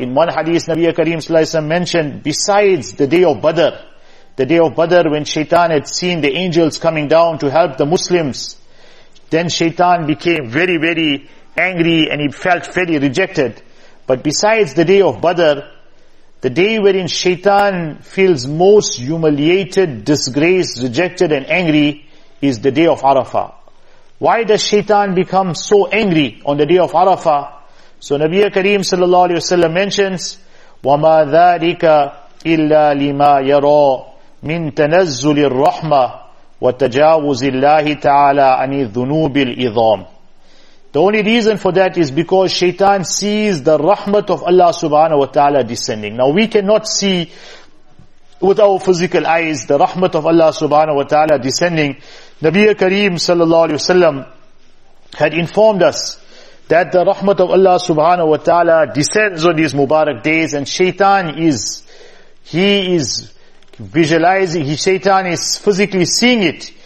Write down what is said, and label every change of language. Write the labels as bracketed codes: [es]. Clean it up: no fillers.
[en] In one hadith, Nabi Kareem Sallallahu Alaihi Wasallam mentioned, besides the day of Badr when Shaitan had seen the angels coming down to help the Muslims, then Shaitan became very, very angry and he felt very rejected. But besides the day of Badr, the day wherein Shaitan feels most humiliated, disgraced, rejected and angry is the day of Arafah. Why does Shaitan become so angry on the day of Arafah? So Nabi Kareem sallallahu alayhi wa sallam mentions, [ar] وَمَا ذَٰلِكَ إِلَّا لِمَا يَرَى مِنْ تَنَزُّلِ الرَّحْمَةِ وَتَجَاوُزِ اللَّهِ تَعَالَىٰ عَنِ الذُّنُوبِ الْإِظَامِ. [en] The only reason for that is because Shaitan sees the rahmat of Allah subhanahu wa ta'ala descending. Now we cannot see with our physical eyes the rahmat of Allah subhanahu wa ta'ala descending. Nabi Kareem sallallahu alayhi wa sallam had informed us that the rahmat of Allah subhanahu wa ta'ala descends on these Mubarak days, and Shaitan is, he is visualizing, he, Shaitan is physically seeing it.